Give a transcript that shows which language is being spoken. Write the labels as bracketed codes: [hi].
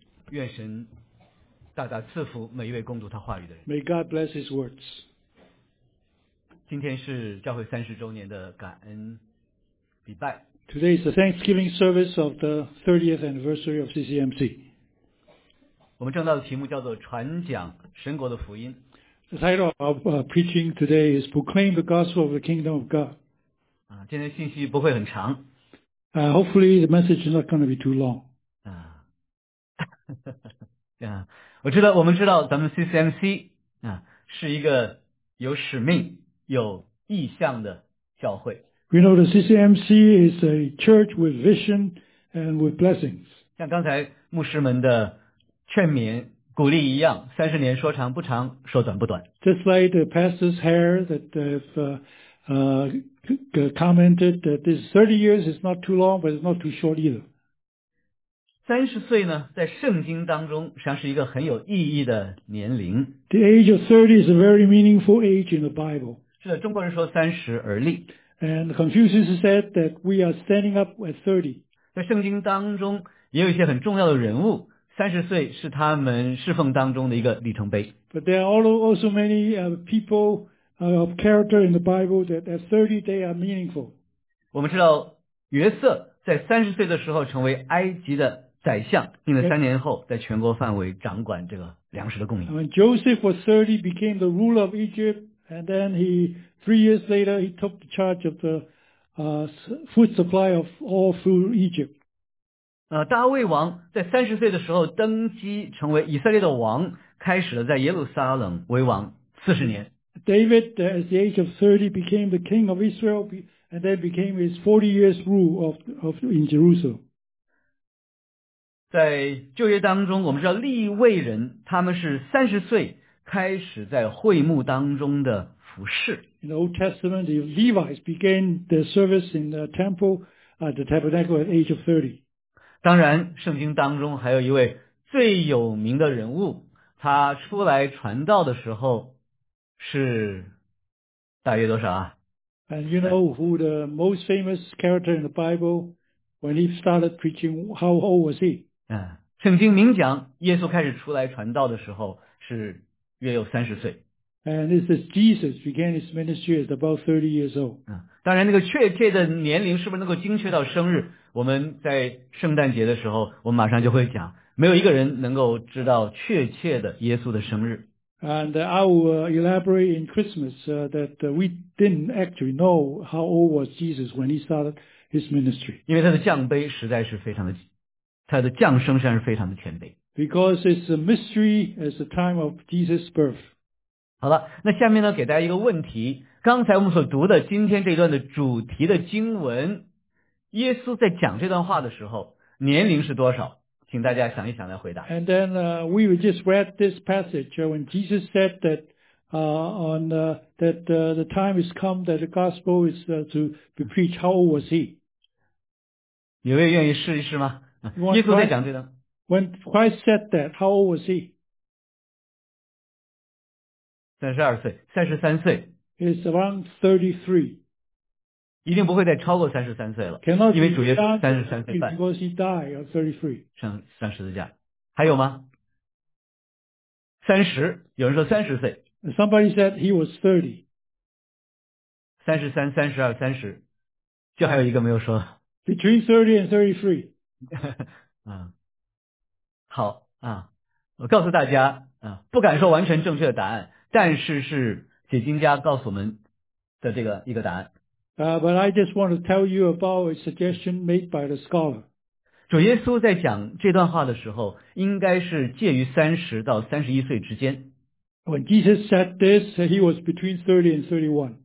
[zh] 愿神大大赐福每一位攻读他话语的人。 [en] May God bless his words. [zh] 今天是教会三十周年的感恩礼拜。 [en] Today is the Thanksgiving service of the 30th anniversary of CCMC. [zh] 我们正道的题目叫做传讲神国的福音。 [en] The title of preaching today is Proclaim the Gospel of the Kingdom of God. [zh] 今天信息不会很长。 [en] Hopefully the message is not going to be too long. [zh] 我们知道咱们 CCMC, 是一个有使命有意向的教会。 [en] We know the CCMC is a church with vision and with blessings. [zh] 像刚才牧师们的劝勉鼓励一样，三十年说长不长，说短不短。 [en] Just like the pastors here that have commented that this 30 years is not too long, but it's not too short either. [zh] 三十岁呢，在圣经当中实际上是一个很有意义的年龄。 [en] The age of 30 is a very meaningful age in the Bible. [zh] 是的，中国人说三十而立。 [en] And Confucius said that we are standing up at 30. [zh] 在圣经当中也有一些很重要的人物，三十岁是他们侍奉当中的一个里程碑。 [en] But there are also many people of character in the Bible that at 30 they are meaningful. [zh] 我们知道约瑟在三十岁的时候成为埃及的宰相，并且三年后在全国范围掌管这个粮食的供应。 [en] When Joseph was 30, became the ruler of Egypt. And then he, 3 years later, he took the charge of the food supply of all through Egypt. [zh] 大卫王在三十岁的时候登基成为以色列的王，开始了在耶路撒冷为王四十年。 [en] David, at the age of 30, became the king of Israel, and then became his 40 years rule of in Jerusalem. [zh] 在旧约当中，我们知道利未人他们是三十岁。开始在会幕当中的服事。 [en] In the Old Testament, the Levites began their service in the temple, the tabernacle at age of 30. [zh] 当然，圣经当中还有一位最有名的人物，他出来传道的时候是大约多少啊？ [en] And you know who the most famous character in the Bible when he started preaching? How old was he? [zh] 圣经明讲，耶稣开始出来传道的时候是。约有三十岁。 [en] And this is Jesus began his ministry at about 30 years old. [zh] 当然那个确切的年龄是不是能够精确到生日，我们在圣诞节的时候我们马上就会讲，没有一个人能够知道确切的耶稣的生日。 [en] And I will elaborate in Christmas that we didn't actually know how old was Jesus when he started his ministry. [zh] 因为他的降卑实在是非常的，他的降生实在是非常的谦卑。 [en] Because it's a mystery as the time of Jesus' birth. [zh] 好了，那下面呢，给大家一个问题。刚才我们所读的今天这段的主题的经文，耶稣在讲这段话的时候，年龄是多少？请大家想一想来回答。 [en] And then we just read this passage when Jesus said that the time is come that the gospel is to be preached. How old was he? [zh] 有位愿意试一试吗？耶稣在讲这段。 [en] When Christ said that, how old was he? [zh] 32岁, 33岁。 [en] is around 33. [zh] 一定不会再超过33岁了。 [en] Cannot、 [zh] 因为主耶稣33岁半。 [en] Because he died at 33. [zh] 上十字架。还有吗？30，有人说30岁。 [en] Somebody said he was 30. [zh] 33, 32, 30. 就还有一个没有说。 [en] Between 30 and 33. [zh] 好啊，我告诉大家啊，不敢说完全正确的答案，但是是解经家告诉我们的这个一个答案。 [en] But I just want to tell you about a suggestion made by the scholar. [zh] 主耶稣在讲这段话的时候，应该是介于30到31岁之间。 [en] When Jesus said this, he was between 30 and 31.